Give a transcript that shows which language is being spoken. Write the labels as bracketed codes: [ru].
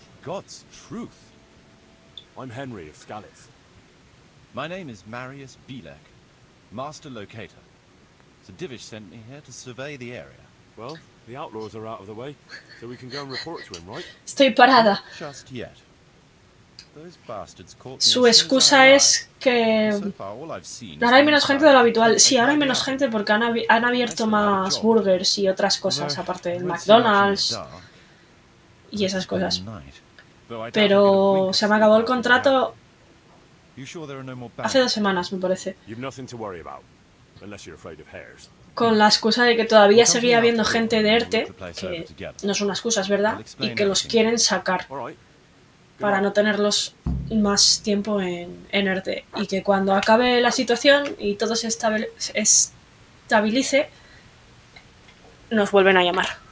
[en] God's truth. I'm Henry of Scalis. My name is Marius Belek, Master Locator. Sir Divish sent me here to survey the area. Well, the outlaws are out of the way, so we can go and report to him, right? [es] Estoy parada. [en] Just yet. Those bastards caught me. [es] Su excusa es que ahora hay menos gente de lo habitual. Sí, ahora hay menos gente porque han abierto más burgers y otras cosas aparte del McDonald's y esas cosas. Pero se me acabó el contrato hace 2 semanas, me parece. [en] You've nothing to worry about, unless you're afraid of hares. [es] Con la excusa de que todavía seguía habiendo gente de ERTE, que no es una excusa, es verdad, y que los quieren sacar para no tenerlos más tiempo en ERTE. Y que cuando acabe la situación y todo se estabilice, nos vuelven a llamar.